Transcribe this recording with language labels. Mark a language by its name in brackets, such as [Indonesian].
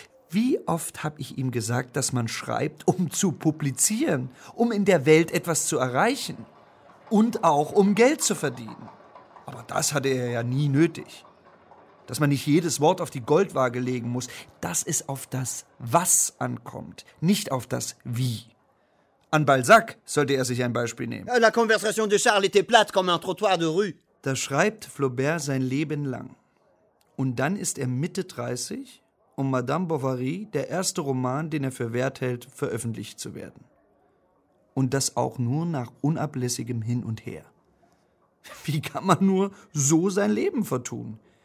[German] Wie oft habe ich ihm gesagt, dass man schreibt, um zu publizieren, um in der Welt etwas zu erreichen und auch um Geld zu verdienen. Aber das hatte er ja nie nötig. Dass man nicht jedes Wort auf die Goldwaage legen muss, dass es auf das Was ankommt, nicht auf das Wie. An Balzac sollte er sich ein Beispiel nehmen. [French] La conversation de Charles était plate comme un trottoir de rue. [German] Da schreibt Flaubert sein Leben lang. Und dann ist er Mitte 30, um Madame Bovary, der erste Roman, den er für wert hält, veröffentlicht zu werden. Und das auch nur nach unablässigem Hin und Her. Wie kann man nur so sein Leben vertun?